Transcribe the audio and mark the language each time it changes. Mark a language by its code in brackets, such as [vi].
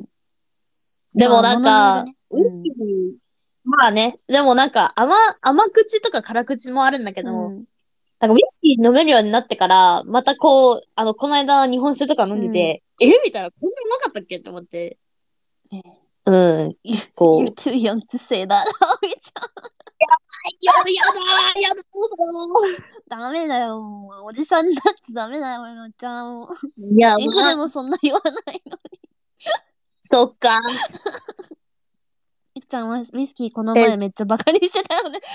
[ja] うん、でもなんか、まあね、でもなんか、甘口とか辛口もあるんだけど、うん、なんかウイスキー飲めるようになってから、またこう、この間日本酒とか飲んでて、うん、みたいな、こんなうまかったっけって思って。うん、こう。 [en] You're too young to say that, Aoi ちゃん。 [ja] やばい、やだ、ダメだよ。おじさんになっちゃダメだよ、おじさん。いや、いくらでもそんな言わないのに。そっか。一クちゃんはウイスキーこの前めっちゃバカにしてたよね。